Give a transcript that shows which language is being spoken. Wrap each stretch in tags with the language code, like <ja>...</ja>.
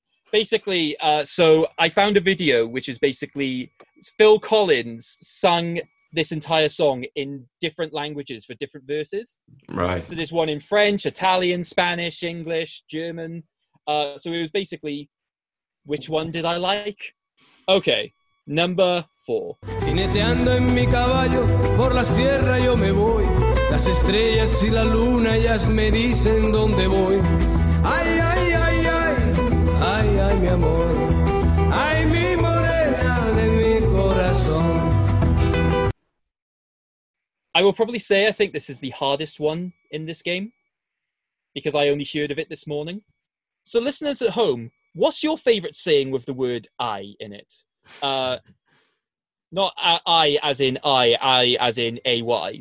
<en>Basically, so I found a video, which is basically Phil Collins sung this entire song in different languages for different verses. Right. So there's one in French, Italian, Spanish, English, German. So it was basically, which one did I like? Okay, number four.</en> <es>Jineteando en mi caballo, por la sierra yo me voy. Las estrellas y la luna, ellas me dicen dónde voy. Ay, ay, ay, ay, ay, ay, mi amor. Ay, mi morena de mi corazón.</es> <en>I will probably say I think this is the hardest one in this game because I only heard of it this morning. So listeners at home, what's your favorite saying with the word I in it? Not I as in I as in A-Y.</en>